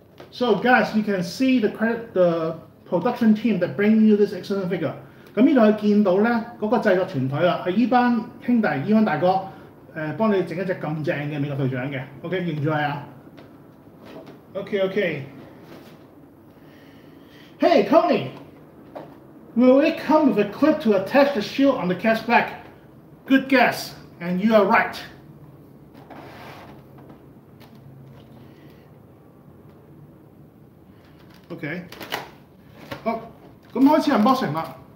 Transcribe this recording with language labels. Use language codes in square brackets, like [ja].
[en] So guys, you can see the credit the production team that bring you this excellent figure. [yue] 咁呢度可以見到咧，嗰個製作團隊啦，係依班兄弟，依班大哥，幫你整一隻咁正嘅美國隊長嘅。OK， 認住係啊。OK。 [en] Hey Tony， will it come with a clip to attach the shield on the cast back？ Good guess， and you are right。 [yue] OK。 好，咁開始 unboxing 啦。